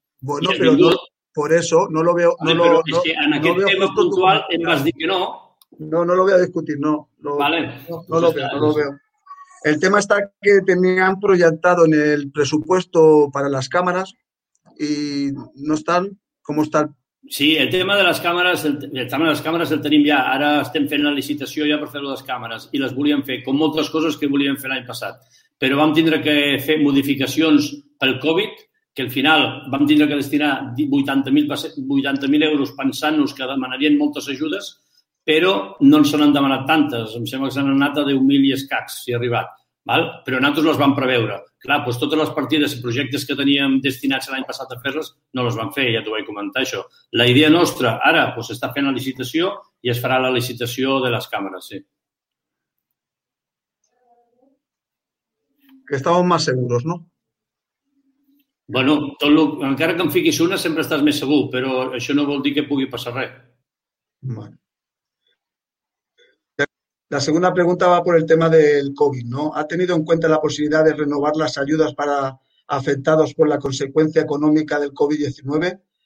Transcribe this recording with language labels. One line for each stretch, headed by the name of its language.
Spanish: Bueno, pero no, por eso no lo veo. No, pero es que en aquel tema puntual
Catalan: en vas dir que no.
Spanish: No, no lo voy a discutir, no. No lo veo. El tema está que tenían proyectado en el presupuesto para las cámaras y no están. ¿Cómo están?
Catalan: Sí, el tema de les càmeres, el tema de les càmeres el tenim ja. Ara estem fent la licitació ja per fer-ho les càmeres i les volíem fer, com moltes coses que volíem fer l'any passat. Però vam tindre que fer modificacions pel Covid, que al final vam tindre que destinar 80.000 euros pensant-nos que demanarien moltes ajudes, però no ens n'han demanat tantes. Em sembla que s'han anat a 10.000 i escacs, si ha arribat. Val? Però nosaltres les vam preveure. Clar, doncs totes les partides i projectes que teníem destinats l'any passat a fer-les no les vam fer, ja t'ho vaig comentar, això. La idea nostra, ara, doncs està fent la licitació i es farà la licitació de les càmeres, sí. Que estàvem més segurs, no? Bueno, tot lo, encara que em fiquis una, sempre estàs més segur, però això no vol dir que pugui passar res. Bueno.
Spanish: La segunda pregunta va por el tema del COVID, ¿no? ¿Ha tenido en cuenta la posibilidad de renovar las ayudas para afectados por la consecuencia económica del COVID-19?